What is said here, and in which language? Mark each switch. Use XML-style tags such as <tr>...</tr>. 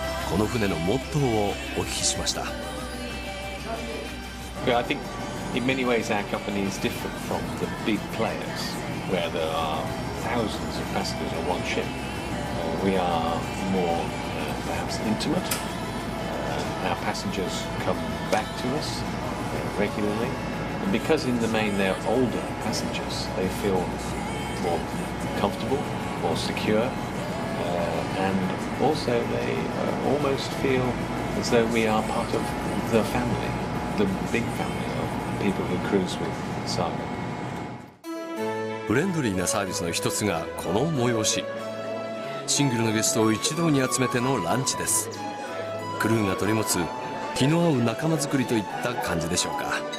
<ja>この船のモットーをお聞きしました。</ja> <en>I think in many ways our company is different from the big players where there are thousands of passengers on one ship. We are more perhaps intimateOur passengers come back to us regularly, and because in the main they're older passengers, they feel more comfortable, more secure, and also they almost feel as though we are part of the family, the big family of people who cruise with Saga.</en> <ja>フレンドリーなサービスの一つがこの催し。シングルのゲストを一堂に集めてのランチです。クルーが取り持つ気の合う仲間作りといった感じでしょうか。</ja>